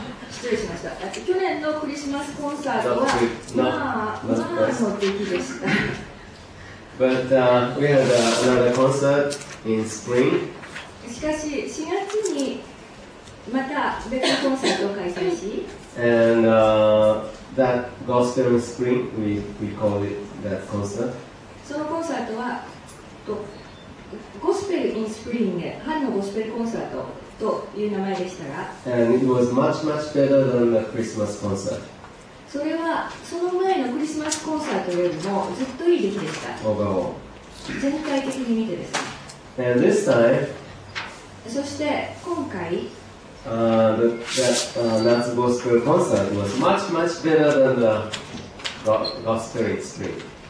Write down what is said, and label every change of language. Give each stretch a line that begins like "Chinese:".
Japanese: 失礼しました。去年のクリスマスコンサートは、まあ、素敵でした。
English: But we had another concert in spring.
Japanese: しかし、4月にまた別のコンサートを開催し、
English: And that gospel in spring, we call it that concert.
Japanese: そのコンサートはとゴスペルインスプリング、春のゴスペルコンサートという名前でしたが、
English: And it was much, much better than the Christmas concert.
Japanese: それはその前のクリスマスコンサートよりもずっといい出来でした。
English: Overall.
Japanese: 全体的に見てです
English: ね。And this time,
Japanese: そして今回、
English: 夏ゴスペルコンサート was much, much better than the gospel in spring.